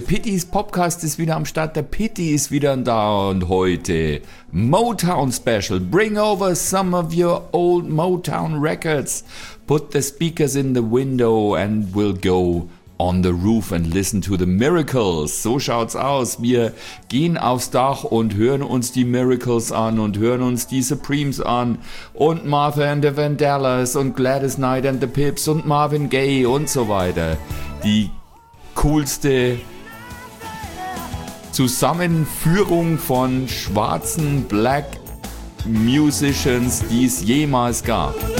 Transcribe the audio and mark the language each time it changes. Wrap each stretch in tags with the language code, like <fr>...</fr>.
<de>Pittys Podcast ist wieder am Start. Der Pitty ist wieder da und heute Motown Special.</de> <en>Bring over some of your old Motown records. Put the speakers in the window and we'll go on the roof and listen to the Miracles.</en> <de>So schaut's aus. Wir gehen aufs Dach und hören uns die Miracles an und hören uns die Supremes an und Martha and the Vandellas und Gladys Knight and the Pips und Marvin Gaye und so weiter. Die coolste Zusammenführung von schwarzen</de> <en>Black Musicians,</en> <de>die es jemals gab.</de>